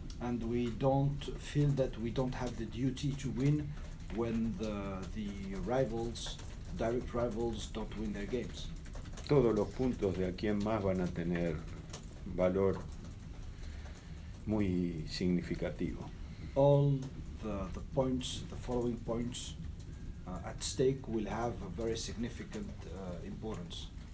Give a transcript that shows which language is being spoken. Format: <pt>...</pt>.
<en>And we don't feel that we don't have the duty to win when the rivals, direct rivals, don't win their games.</en> <es>Todos los puntos de aquí en más van a tener valor muy significativo.</es> <en>All the points, the following points at stake will have a very significant importance.</en>